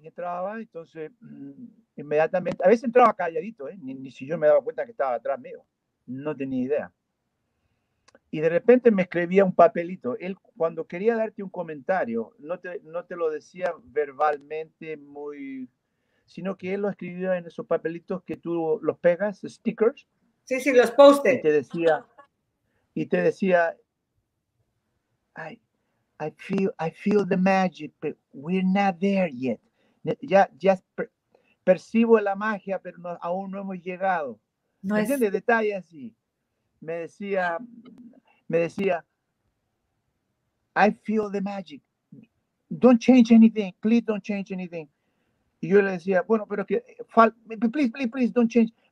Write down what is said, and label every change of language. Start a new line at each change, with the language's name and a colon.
Spanish: Entraba, entonces, inmediatamente, a veces entraba calladito, ni si yo me daba cuenta que estaba atrás mío. No tenía idea. Y de repente me escribía un papelito. Él, cuando quería darte un comentario, no te lo decía verbalmente muy... sino que él lo escribía en esos papelitos que tú los pegas, stickers. Sí, sí, los postes. Y te decía,
English: I feel the magic, but we're not there yet.
Spanish: Ya percibo la magia, pero no, aún no hemos llegado. No es... ¿Entiendes? Detalle así. Me decía,
English: I feel the magic. Don't change anything. Please don't change anything.
Spanish: Y yo le decía, bueno, pero que,
English: please, don't change.